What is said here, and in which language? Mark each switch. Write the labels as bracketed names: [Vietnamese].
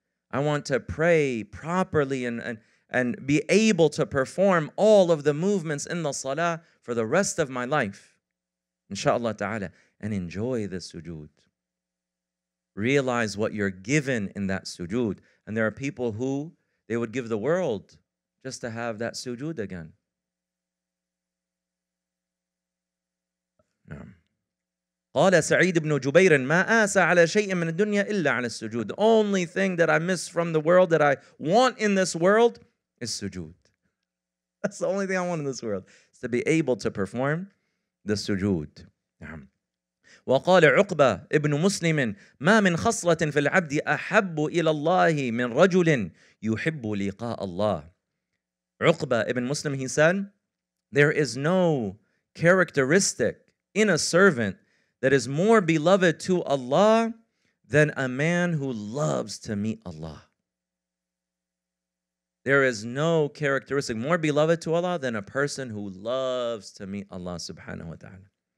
[English] I want to pray properly and be able to perform all of the movements in the salah for the rest of my life, inshallah ta'ala, and enjoy the sujood. Realize what you're given in that sujood. And there are people who, they would give the world just to have that sujood again. [Arabic] قال سعيد بن جبير ما آسى على شيء من الدنيا إلا على السجود. [English] The only thing that I miss from the world, that I want in this world, is sujood. That's the only thing I want in this world, is to be able to perform the sujood. [Arabic] وقال عقبة ابن مسلم ما من خصلة في العبد أحب إلى الله من رجل يحب لقاء الله. [English] عقبة ابن مسلم, he said, there is no characteristic in a servant that is more beloved to Allah than a man who loves to meet Allah. There is no characteristic more beloved to Allah than a person who loves to meet Allah subhanahu wa ta'ala.